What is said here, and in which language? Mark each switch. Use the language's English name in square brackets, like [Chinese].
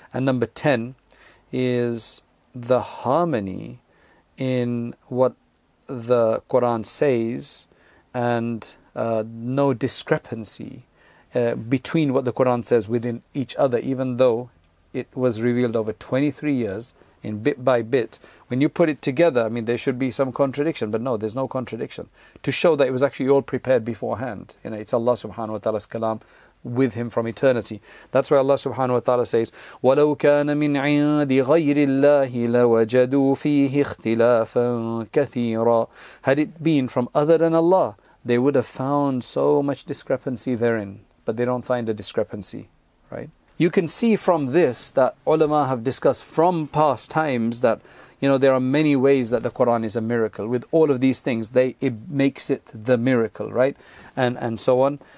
[English] And number 10 is the harmony in what the Quran says, and no discrepancy between what the Quran says within each other, even though it was revealed over 23 years, in bit by bit. When you put it together, I mean, there should be some contradiction, but no, there's no contradiction, to show that it was actually all prepared beforehand. You know, it's Allah subhanahu wa ta'ala's kalam with Him from eternity. That's why Allah subhanahu wa ta'ala says, [Arabic] وَلَوْ كَانَ مِنْ عِنْدِ غَيْرِ اللَّهِ لَوَجَدُوا فِيهِ اخْتِلَافًا كَثِيرًا. [English] Had it been from other than Allah, they would have found so much discrepancy therein. But they don't find a discrepancy, right? You can see from this that ulama have discussed from past times that, you know, there are many ways that the Quran is a miracle. With all of these things, it makes it the miracle, right? And so on.